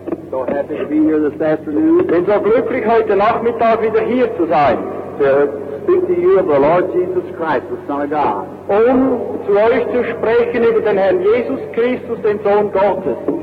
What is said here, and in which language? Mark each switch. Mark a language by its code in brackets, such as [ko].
[en] So happy to be here this afternoon. [de] Bin so glücklich, heute Nachmittag wieder hier zu sein. [en] To speak to you of the Lord Jesus Christ, the Son of God. [de] Um zu euch zu sprechen über den Herrn Jesus Christus, den Sohn Gottes.